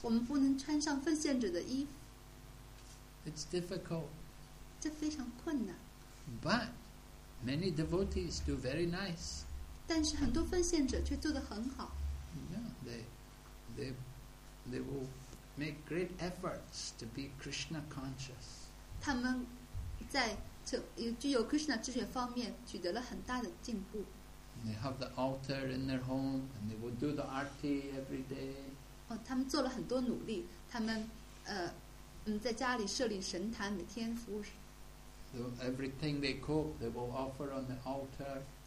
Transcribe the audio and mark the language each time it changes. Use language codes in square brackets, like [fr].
[zh] 我们不能穿上奉献者的衣服。 [en] It's difficult. [zh] 这非常困难。 [en] But many devotees do very nice. [zh] 但是很多奉献者却做得很好。 [en] Yeah, they will make great efforts to be Krishna conscious. [zh] 他们在具有 Krishna 知觉方面取得了很大的进步。 [en] They have the altar in their home and they will do the arti every day. [zh] 他们做了很多努力，他们在家里设立神坛，每天服务。 [en] So everything they cook, they will offer on the altar.